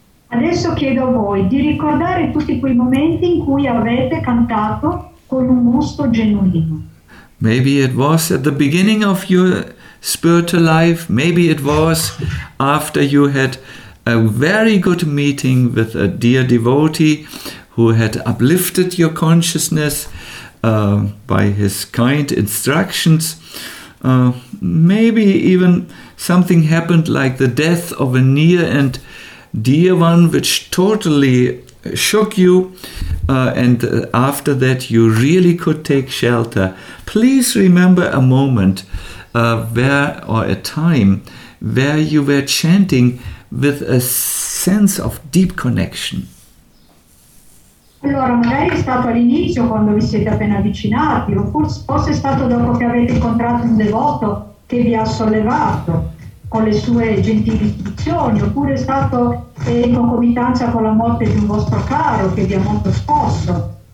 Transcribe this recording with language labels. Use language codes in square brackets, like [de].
[it] Adesso chiedo a voi di ricordare tutti quei momenti in cui avete cantato con un gusto genuino. [en] Maybe it was at the beginning of your spiritual life, maybe it was after you had a very good meeting with a dear devotee who had uplifted your consciousness by his kind instructions. Maybe even something happened like the death of a near and dear one, which totally shook you, and after that you really could take shelter. Please remember a moment where you were chanting with a sense of deep connection. [it] Allora, magari è stato all'inizio quando vi siete appena avvicinati, o forse è stato dopo che avete incontrato un devoto che vi ha sollevato con le sue gentili istruzioni, oppure è stato in concomitanza con la morte di un vostro caro che vi ha molto scosso.